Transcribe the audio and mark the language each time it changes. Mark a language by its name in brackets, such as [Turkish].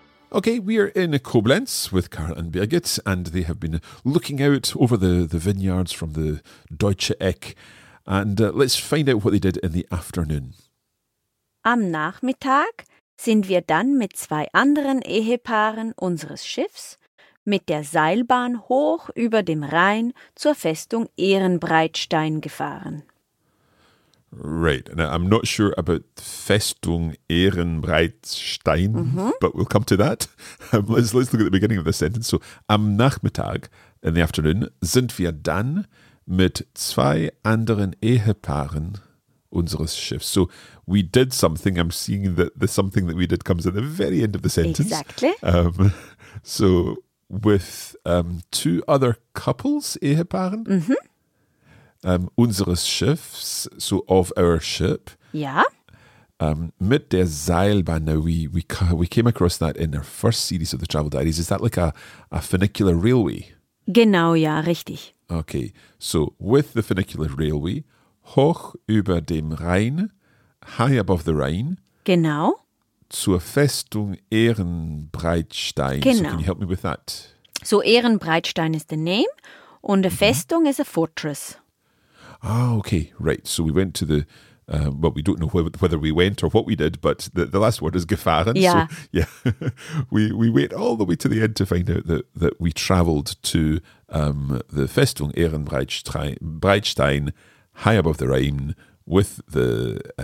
[English] Okay, we are in Koblenz with Karl and Birgit, and they have been looking out over the vineyards from the Deutsche Eck. And let's find out what they did in the afternoon. [German] Am Nachmittag sind wir dann mit zwei anderen Ehepaaren unseres Schiffs mit der Seilbahn hoch über dem Rhein zur Festung Ehrenbreitstein gefahren. [English] Right, now I'm not sure about Festung Ehrenbreitstein, but we'll come to that. Let's look at the beginning of the sentence. So, [German] am Nachmittag, [English] in the afternoon, [German] sind wir dann mit zwei anderen Ehepaaren unseres Schiffs. [English] So, we did something. I'm seeing that the something that we did comes at the very end of the sentence. Exactly. So, with two other couples, Ehepaaren. Unseres Schiffs, so of our ship. Yeah. [German] Mit der Seilbahn. [English] Now we came across that in our first series of the Travel Diaries. Is that like a funicular railway? [German] Genau, ja, richtig. [English] Okay, so with the funicular railway, [German] hoch über dem Rhein, [English] high above the Rhine. [German] Genau. Zur Festung Ehrenbreitstein. Genau. [English] So can you help me with that? So Ehrenbreitstein is the name, and a Festung is a fortress. Ah, okay, right. So we went to the Well, we don't know whether we went or what we did, but the last word is [German] gefahren. [English] Yeah. So, yeah. we wait all the way to the end to find out that we travelled to the Festung Ehrenbreitstein, high above the Rhine, with the